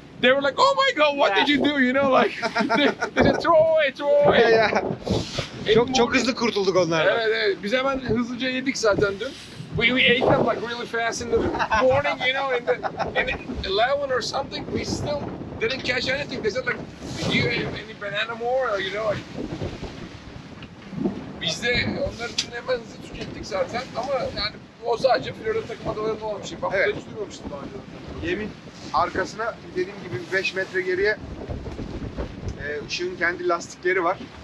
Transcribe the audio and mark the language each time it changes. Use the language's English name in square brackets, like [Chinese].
[English] They were like, oh my god, what did you do? You know, like, they throw away. Yeah, yeah. [Turkish] Çok hızlı kurtulduk onlardan. Evet, evet. Biz hemen hızlıca yedik zaten dün. [English] We ate them like really fast in the morning, you know, in 11 or something. We still didn't catch anything. They said like, do you have any banana more? Or, you know, like, [Turkish] biz de onların hemen hızlı tükettik zaten. Ama yani o sadece Florida takım adalarında olan bir şey. Bak, evet. Hiç duymamıştım daha önce. Yemin. Arkasına dediğim gibi 5 metre geriye ışığın kendi lastikleri var.